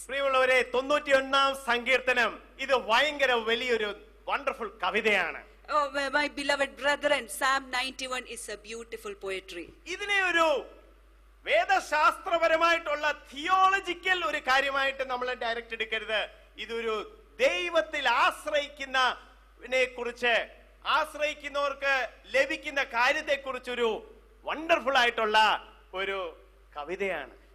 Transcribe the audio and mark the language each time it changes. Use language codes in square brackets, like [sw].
[ml] പ്രിയമുള്ളവരെ, 91-ാം സങ്കീർത്തനം ഇത് വളരെ വലിയൊരു വണ്ടർഫുൾ കവിതയാണ്. [en] My beloved brethren, Psalm 91 is a beautiful poetry. [ml] ഇതിനെ ഒരു വേദശാസ്ത്രപരമായിട്ടുള്ള തിയോളജിക്കൽ ഒരു കാര്യമായിട്ട് നമ്മൾ ഡയറക്റ്റ് എടുക്കരുത്. ഇതൊരു ദൈവത്തിൽ ആശ്രയിക്കുന്നതിനെ കുറിച്ച്, ആശ്രയിക്കുന്നവർക്ക് ലഭിക്കുന്ന കാര്യത്തെ കുറിച്ചൊരു വണ്ടർഫുൾ ആയിട്ടുള്ള ഒരു കവിതയാണ്.